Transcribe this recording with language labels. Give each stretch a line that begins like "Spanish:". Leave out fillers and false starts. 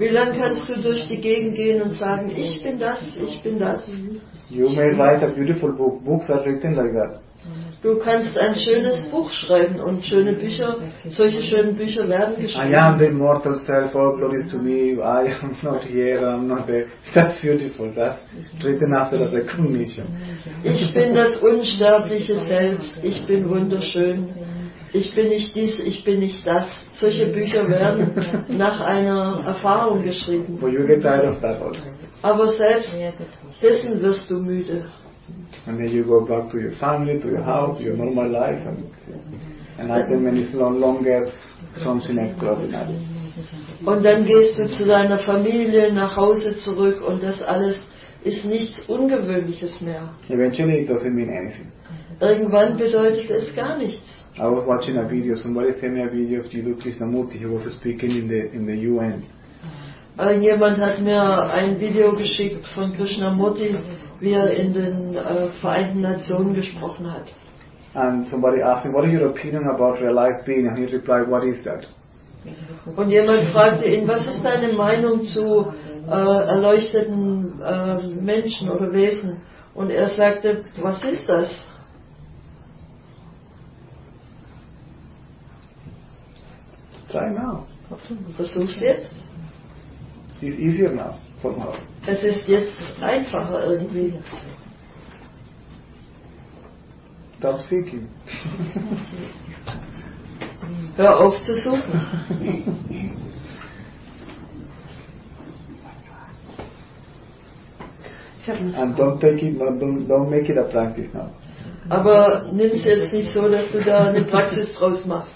German: Wie lange kannst du durch die Gegend gehen und sagen, ich bin das. Ich bin das.
English: You may write a beautiful book. Books are written like that.
German: Du kannst ein schönes Buch schreiben und schöne Bücher, solche schönen Bücher werden geschrieben.
English: I am the immortal self, all glory is to me, I am not here, I am not there. That's beautiful, that. Written after the recognition.
German: Ich bin das unsterbliche Selbst, ich bin wunderschön, ich bin nicht dies, ich bin nicht das. Solche Bücher werden nach einer Erfahrung geschrieben.
English: But you get tired of that also.
German: Aber selbst dessen wirst du müde.
English: And then you go back to your family, to your house, your normal life, and enlightenment is no longer something extraordinary.
German: Und dann gehst du zu deiner Familie, nach Hause zurück, und das alles ist nichts Ungewöhnliches mehr.
English: Eventually it doesn't mean anything.
German: Irgendwann bedeutet es gar nichts.
English: I was watching a video, somebody sent me a video of Jiddu Krishnamurti, he was speaking in the UN.
German: Jemand hat mir ein Video geschickt von Krishnamurti, wie er in den Vereinten Nationen gesprochen hat.
English: And somebody asked him, what is your opinion about realized being? And he replied, what is that?
German: Und jemand fragte ihn, was ist deine Meinung zu erleuchteten Menschen oder Wesen? Und er sagte, was ist das?
English: Try now.
German: Versuch's jetzt.
English: It's easier now, somehow.
German: Es ist jetzt einfacher irgendwie.
English: Stop seeking.
German: Hör auf zu suchen.
English: And don't take it, don't make it a practice now.
German: Aber nimm es jetzt nicht so, dass du da eine Praxis draus machst.